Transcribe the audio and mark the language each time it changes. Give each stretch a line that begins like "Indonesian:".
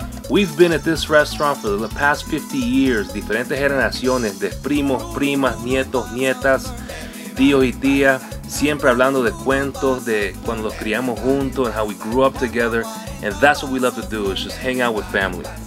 English: We've been at this restaurant for the past 50 years.
Spanish: Diferentes generaciones de primos, primas, nietos, nietas, tíos y tías. Siempre hablando de cuentos, de cuando los criamos juntos
English: and how we grew up together. And that's what we love to do, is just hang out with family.